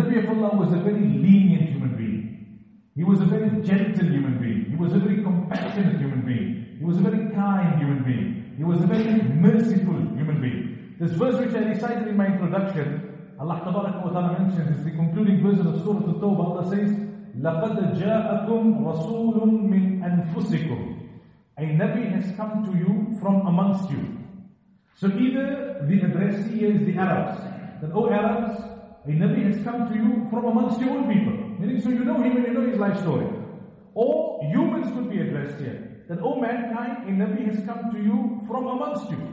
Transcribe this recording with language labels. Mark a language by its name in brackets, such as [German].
[English] The Nabi of Allah was a very lenient human being. He was a very gentle human being. He was a very compassionate human being. He was a very kind human being. He was a very merciful human being. This verse which I recited in my introduction, Allah Tabaraka wa Ta'ala mentions, is the concluding verse of Surah At-Tawbah. [Arabic] Allah says, لَقَدْ جَاءَكُمْ رَسُولٌ مِّنْ أَنفُسِكُمْ. [English] A Nabi has come to you from amongst you. So either the addressee is the Arabs. That, O Arabs, a Nabi has come to you from amongst your own people. Meaning, so you know him and you know his life story. Or humans could be addressed here. That, O mankind, a Nabi has come to you from amongst you.